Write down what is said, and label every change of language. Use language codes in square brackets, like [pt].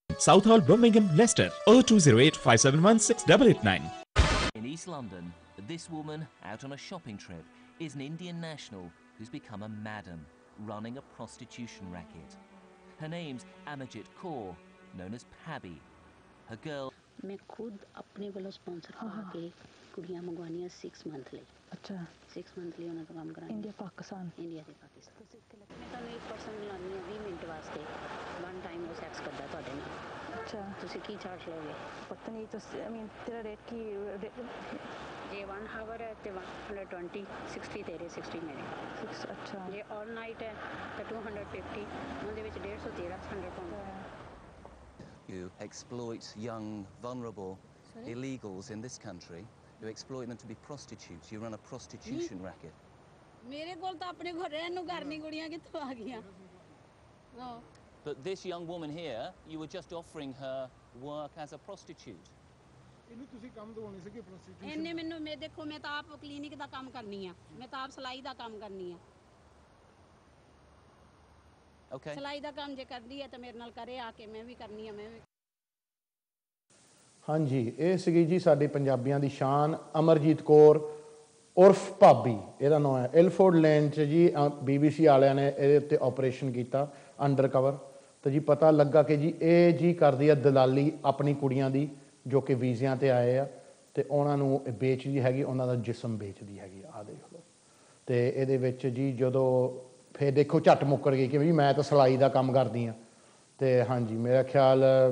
[en] South Hall, Birmingham, Leicester, 0208-571-6889. In East London, this woman, out on a shopping trip, is an Indian national who's become a madam, running a prostitution racket. Her name's Amarjit Kaur, known as Pabby. Her girl... [pa] ਮੈਂ ਖੁਦ ਆਪਣੇ ਵੱਲੋਂ sponsor ਹੋ ਕੇ ਕੁੜੀਆਂ ਮੰਗਵਾਉਣੀਆਂ 6 month ਲਈ ਅੱਛਾ 6 month ਲਈ ਉਹਨਾਂ ਦਾ ਕੰਮ ਕਰਾਂ ਇੰਡੀਆ ਪਾਕਿਸਤਾਨ ਇੰਡੀਆ ਦੇ ਪਾਕਿਸਤਾਨ ਤੁਸੀਂ ਇੱਕ ਲੱਖ ਮੈਂ ਤੁਹਾਨੂੰ ਇੱਕ ਪਰਸਨ ਲਾਉਂਦੀ ਹਾਂ 20 ਮਿੰਟ ਵਾਸਤੇ ਵਨ ਟਾਈਮ ਉਹ ਸੈਕਸ ਕਰਦਾ ਤੁਹਾਡੇ ਨਾਲ ਅੱਛਾ ਤੁਸੀਂ ਕੀ ਚਾਰਜ ਲਓਗੇ ਪਤਾ ਨਹੀਂ ਤੁਸੀਂ ਆਈ ਮੀਨ ਤੇਰਾ ਰੇਟ ਕੀ ਜੇ 1 ਹਾਵਰ ਹੈ ਤੇ 120 60 ਤੇਰੇ 60 ਮੇਰੇ ਅੱਛਾ ਜੇ ਆਲ ਨਾਈਟ ਹੈ ਤਾਂ 250 ਉਹਦੇ ਵਿੱਚ 150 1300 ਪਾਉਂਦਾ [en] You exploit young, vulnerable Sorry? illegals in this country. You exploit them to be prostitutes. You run a prostitution racket. [pa] ਮੇਰੇ ਕੋਲ ਤਾਂ ਆਪਣੇ ਘਰ ਰਹਿਣ ਨੂੰ ਘਰ ਨਹੀਂ ਕੁੜੀਆਂ ਕਿੱਥੋਂ ਆ ਗਈਆਂ [en] But this young woman here, you were just offering her work as a prostitute. [pa] ਇਹਨੂੰ ਤੁਸੀਂ ਕੰਮ ਦਵਾਉਣੀ ਸੀ ਕਿ ਪ੍ਰੋਸਟੀਟਿਊਸ਼ਨ ਇਹਨੇ ਮੈਨੂੰ ਮੈਂ ਦੇਖੋ ਮੈਂ ਤਾਂ ਆਪ ਕਲੀਨਿਕ ਦਾ ਕੰਮ ਕਰਨੀ ਆ ਮੈਂ ਤਾਂ ਆਪ ਸਲਾਈ ਦਾ ਕੰਮ ਕਰਨੀ ਆ ਓਕੇ ਸਲਾਈ ਦਾ ਕੰਮ ਜੇ ਕਰਦੀ ਹੈ ਤਾਂ ਮੇਰੇ ਨਾਲ ਕਰੇ ਆ ਕੇ ਮੈਂ ਵੀ ਕਰਨੀ ਆ ਮੈਂ ਵੀ ਹਾਂਜੀ ਇਹ ਸੀਗੀ ਜੀ ਸਾਡੇ ਪੰਜਾਬੀਆਂ ਦੀ ਸ਼ਾਨ ਅਮਰਜੀਤ ਕੌਰ ਉਰਫ ਭਾਬੀ ਇਹਦਾ ਨਾਂ ਹੈ ਇਲਫੋਰਡ ਲੇਨ 'ਚ ਜੀ BBC ਵਾਲਿਆਂ ਨੇ ਇਹਦੇ ਉੱਤੇ ਓਪਰੇਸ਼ਨ ਕੀਤਾ ਅੰਡਰ ਕਵਰ ਤਾਂ ਜੀ ਪਤਾ ਲੱਗਾ ਕਿ ਜੀ ਇਹ ਜੀ ਕਰਦੀ ਆ ਦਲਾਲੀ ਆਪਣੀ ਕੁੜੀਆਂ ਦੀ ਜੋ ਕਿ ਵੀਜ਼ਿਆਂ 'ਤੇ ਆਏ ਆ ਅਤੇ ਉਹਨਾਂ ਨੂੰ ਵੇਚਦੀ ਹੈਗੀ ਉਹਨਾਂ ਦਾ ਜਿਸਮ ਵੇਚਦੀ ਹੈਗੀ ਆਹ ਦੇਖ ਲਓ ਅਤੇ ਇਹਦੇ ਵਿੱਚ ਜੀ ਜਦੋਂ ਫਿਰ ਦੇਖੋ ਝੱਟ ਮੁੱਕਰ ਗਈ ਕਿ ਜੀ ਮੈਂ ਤਾਂ ਸਿਲਾਈ ਦਾ ਕੰਮ ਕਰਦੀ ਹਾਂ ਅਤੇ ਹਾਂਜੀ ਮੇਰਾ ਖਿਆਲ